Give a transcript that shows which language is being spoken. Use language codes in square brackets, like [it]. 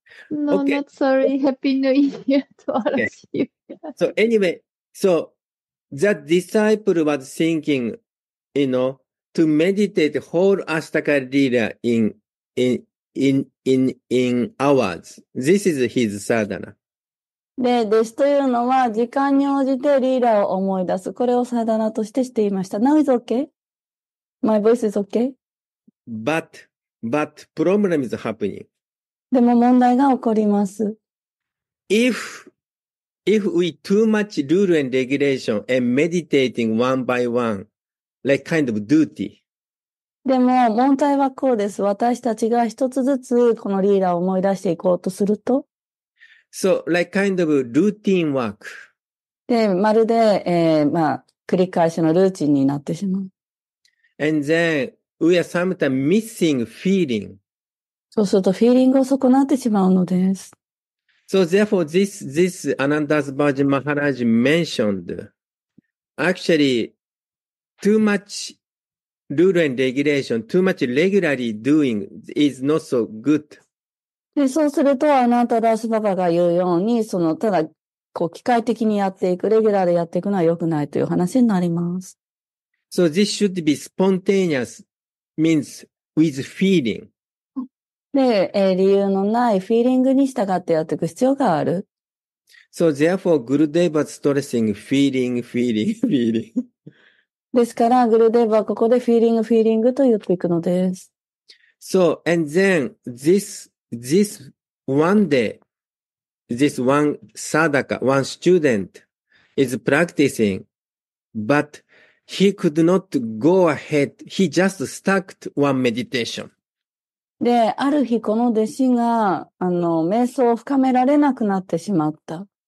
[en] No, okay. Not sorry. Happy New Year to all of you. So anyway, so that disciple was thinking, you know, to meditate whole Ashtaka Lila in hours. This is his sadhana. [ja] で、弟子というのは、時間に応じてリーラーを思い出す。これをサダナとしてしていました。 [en] Now is okay? My voice is okay? But, problem is happening. [ja] でも問題が起こります。 [en] If we too much rule and regulation and meditating one by one, like kind of duty. [ja] でも問題はこうです。私たちが一つずつこのリーラーを思い出していこうとすると、 [en] So, like kind of routine work. [ja] で、まるで、まあ、繰り返しのルーチンになってしまう。 [en] And then, we are sometimes missing feeling. [ja] そうすると、フィーリングを損なってしまうのです。 [en] So, therefore, this Anandas Bhaji Maharaj mentioned, actually, too much rule and regulation, too much regularly doing is not so good. [ja] でそうすると、アナンタダースババが言うように、ただ、こう、機械的にやっていく、レギュラーでやっていくのは良くないという話になります。 [en] So this should be spontaneous, means with feeling. [ja] で、理由のない、フィーリングに従ってやっていく必要がある。 [en] So therefore, Gurudev was stressing feeling. [ja] ですから、Gurudev はここで feeling と言っていくのです。 [en] So, and then, this one day, this one sadaka, one student is practicing, but he could not go ahead. He just stuck to one meditation. [ja] で、ある日この弟子が、瞑想を深められなくなってしまった。